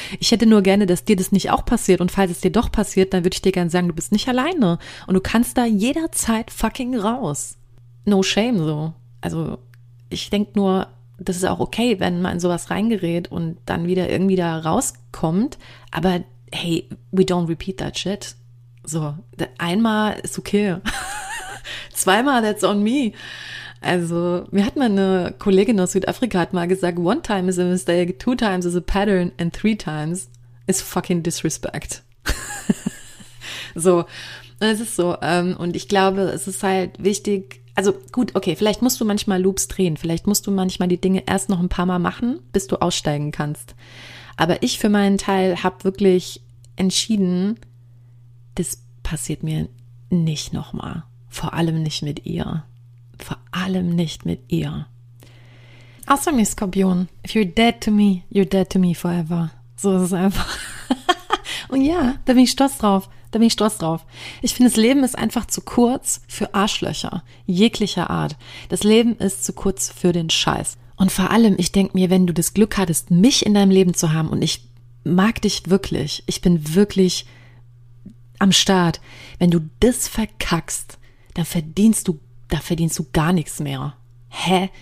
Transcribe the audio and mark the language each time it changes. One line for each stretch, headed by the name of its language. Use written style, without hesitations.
German: Ich hätte nur gerne, dass dir das nicht auch passiert. Und falls es dir doch passiert, dann würde ich dir gerne sagen, du bist nicht alleine. Und du kannst da jederzeit fucking raus.
English: No shame,
German: so. Also ich denke nur, das ist auch okay, wenn man in sowas reingerät und dann wieder irgendwie da rauskommt.
English: Aber hey, we don't repeat that shit.
German: So, einmal ist okay. Zweimal,
English: that's on me.
German: Also, mir hat meine Kollegin aus Südafrika hat mal gesagt,
English: one time is a mistake, two times is a pattern and three times is fucking disrespect.
German: So, es ist so. Und ich glaube, es ist halt wichtig, also gut, okay, vielleicht musst du manchmal Loops drehen, vielleicht musst du manchmal die Dinge erst noch ein paar Mal machen, bis du aussteigen kannst. Aber ich für meinen Teil habe wirklich entschieden, das passiert mir nicht nochmal. Vor allem nicht mit ihr. Vor allem nicht mit ihr. Außer mir, Skorpion.
English: If you're dead to me, you're dead to me forever.
German: So ist es einfach. Und ja, da bin ich stolz drauf. Da bin ich stolz drauf. Ich finde, das Leben ist einfach zu kurz für Arschlöcher. Jeglicher Art. Das Leben ist zu kurz für den Scheiß. Und vor allem, ich denke mir, wenn du das Glück hattest, mich in deinem Leben zu haben und ich mag dich wirklich, ich bin wirklich am Start, wenn du das verkackst, dann verdienst du gar nichts mehr. Hä?